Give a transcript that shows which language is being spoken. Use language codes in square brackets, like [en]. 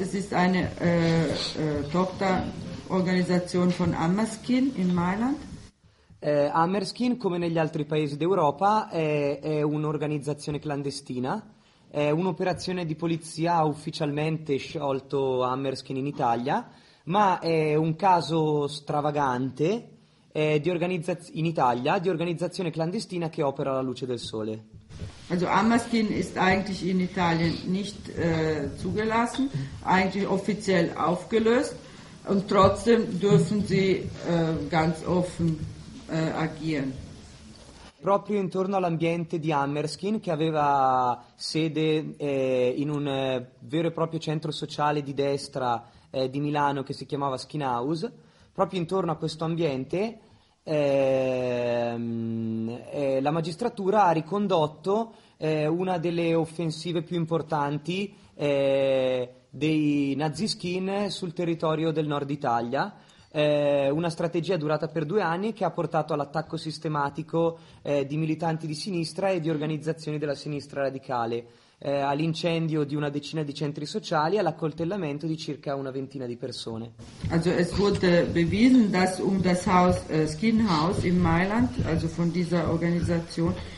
[de] Das ist eine Tochterorganisation von Hammerskin in Mailand. [it] Hammerskin, come negli altri paesi d'Europa, è un'organizzazione clandestina. È un'operazione di polizia ufficialmente sciolto Hammerskin in Italia, ma è un caso stravagante in Italia di organizzazione clandestina che opera alla luce del sole. [de] Also Hammerskin ist eigentlich in Italien nicht zugelassen, eigentlich offiziell aufgelöst, und trotzdem dürfen sie ganz offen agieren. [it] Proprio intorno all'ambiente di Hammerskin, che aveva sede in un vero e proprio centro sociale di destra di Milano che si chiamava Skin House, proprio intorno a questo ambiente la magistratura ha ricondotto una delle offensive più importanti dei naziskin sul territorio del nord Italia, una strategia durata per 2 anni che ha portato all'attacco sistematico di militanti di sinistra e di organizzazioni della sinistra radicale, all'incendio di una decina di centri sociali e all'accoltellamento di circa una ventina di persone. [de] Also es wurde bewiesen, dass das Haus Skin House in Mailand, also von dieser Organisation,